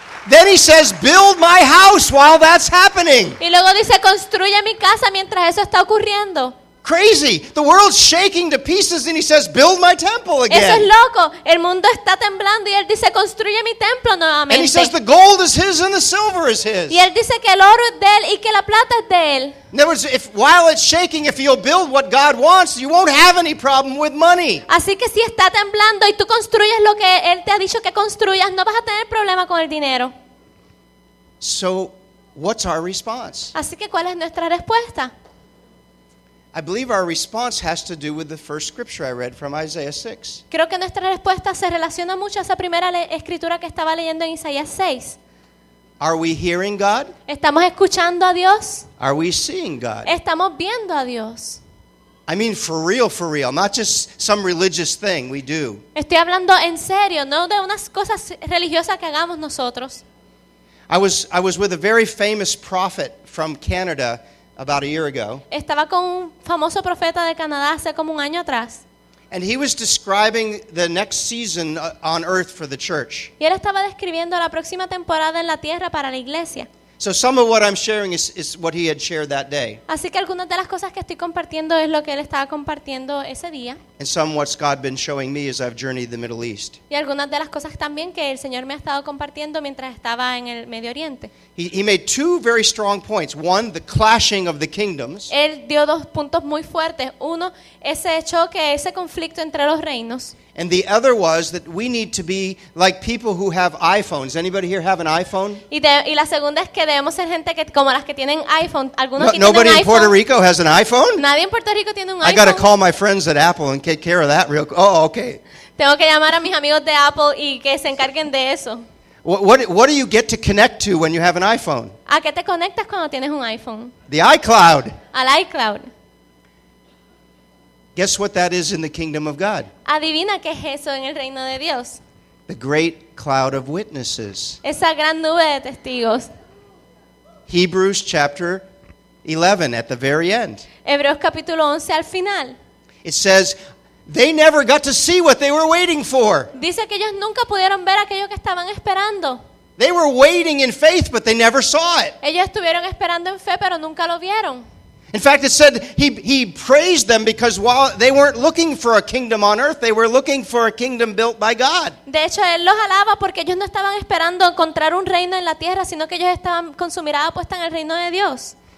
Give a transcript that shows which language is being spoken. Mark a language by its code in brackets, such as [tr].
[en] Then he says, build my house while that's happening. [es] Y luego dice, construye mi casa mientras eso está ocurriendo. [en] Crazy. The world's shaking to pieces and he says, build my temple again. [es] Eso es loco. El mundo está temblando y él dice, construye mi templo nuevamente. [en] And he says, the gold is his and the silver is his. [es] Y él dice que el oro es de él y que la plata es de él. [en] In other words, if while it's shaking, if you'll build what God wants, you won't have any problem with money. [es] Así que si está temblando y tú construyes lo que él te ha dicho que construyas, no vas a tener problema con el dinero. [en] So, what's our response? [es] Así que ¿cuál es nuestra respuesta? [en] I believe our response has to do with the first scripture I read from Isaiah 6. [es] Creo que nuestra respuesta se relaciona mucho a esa primera escritura que estaba leyendo en Isaías 6. [en] Are we hearing God? [es] ¿Estamos escuchando a Dios? [en] Are we seeing God? [es] ¿Estamos viendo a Dios? [en] I mean for real, not just some religious thing we do. [es] Estoy hablando en serio, no de unas cosas religiosas que hagamos nosotros. [en] I was with a very famous prophet from Canada about a year ago. [es] Estaba con un famoso profeta de Canadá hace como un año atrás. [en] And he was describing the next season on earth for the church. [es] Y él estaba describiendo la próxima temporada en la tierra para la iglesia. [en] So some of what I'm sharing is what he had shared that day. [es] Así que algunas de las cosas que estoy compartiendo es lo que él estaba compartiendo ese día. [en] And some what's God been showing me as I've journeyed the Middle East. [es] Y algunas de las cosas también que el Señor me ha estado compartiendo mientras estaba en el Medio Oriente. [en] He made two very strong points. One, the clashing of the kingdoms. [es] Él dio dos puntos muy fuertes. Uno, ese choque, ese conflicto entre los reinos. [en] And the other was that we need to be like people who have iPhones. Anybody here have an iPhone? [es] Y la segunda es que debemos ser gente que como las que tienen iPhone. Algunos no, aquí [en] nobody [es] tienen [en] in Puerto Rico has an iPhone? [es] Nadie en Puerto Rico tiene un iPhone. [en] I got to call my friends at Apple and take care of that real quick. Oh, okay. [es] Tengo que llamar a mis amigos de Apple y que se encarguen de eso. [en] What do you get to connect to when you have an iPhone? [es] ¿A qué te conectas cuando tienes un iPhone? [en] The iCloud. [es] Al iCloud. [en] Guess what that is in the kingdom of God? [es] Adivina qué es eso en el reino de Dios. [en] The great cloud of witnesses. [es] Esa gran nube de testigos. [en] Hebrews chapter 11 at the very end. [es] Hebreos capítulo 11 al final. [en] It says they never got to see what they were waiting for. [es] Dice que ellos nunca pudieron ver aquello que estaban esperando. [en] They were waiting in faith, but they never saw it. [es] Ellos estuvieron esperando en fe, pero nunca lo vieron. [en] In fact, it said he praised them because while they weren't looking for a kingdom on earth, they were looking for a kingdom built by God. [es] De hecho, él los alaba porque ellos no estaban esperando encontrar un reino en la tierra, sino que ellos estaban con su mirada puesta en el reino de Dios.